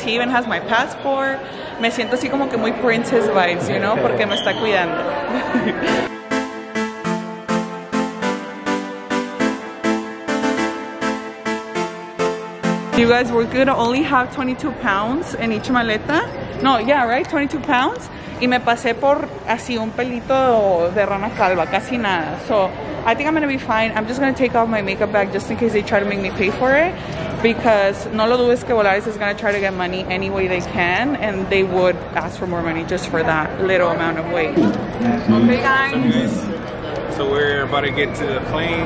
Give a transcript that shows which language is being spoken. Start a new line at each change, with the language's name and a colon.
English: He even has my passport.
Spanish: Me siento así como que muy
English: princess vibes, you know,
Spanish: porque me está cuidando.
English: You guys, we're gonna only have 22 pounds in each maleta. No, yeah, right, 22 pounds.
Spanish: Y me pasé por así un pelito de rana calva, casi nada.
English: So I think I'm gonna be fine. I'm just gonna take off my makeup bag just in case they try to make me pay for it, because
Spanish: no lo dudes que
English: Volaris is gonna try to get money any way they can, and they would ask for more money just for that little amount of weight. Okay, guys. So we're about to get to the plane.